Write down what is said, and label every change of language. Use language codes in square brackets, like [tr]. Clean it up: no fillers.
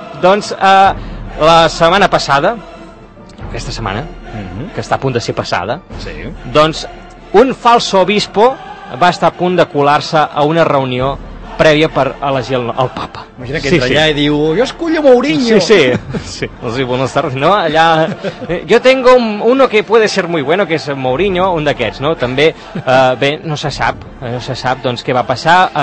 [ca] Doncs, la setmana passada, aquesta setmana, que està a punt de ser passada, sí, doncs un falso obispo va estar a punt de colar-se a una reunió prèvia per elegir el papa. Imagina que entra, sí, allà, sí, i diu, jo escullo Mourinho. Sí, sí, sí. Els diu, [es] buenas tardes, [ca] no? [es] Allà, yo tengo uno que puede ser muy bueno, que es Mourinho, [ca] un d'aquests, [es] no? [ca] També, bé, no se sap, doncs, què va passar.